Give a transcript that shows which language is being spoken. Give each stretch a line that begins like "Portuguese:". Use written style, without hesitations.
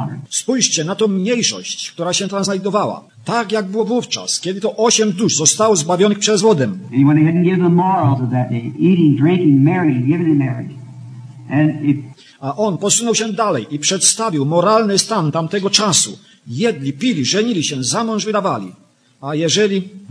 Polish: Spójrzcie na tą mniejszość, która się tam znajdowała. Tak jak było wówczas, kiedy to 8 dusz zostało zbawionych przez wodę.
English: And when they hadn't given the morals of that day, eating, drinking, marrying, giving in marriage. And if...
Polish: A on posunął się dalej i przedstawił moralny stan tamtego czasu. Jedli, pili, żenili się, za mąż wydawali. A jeżeli...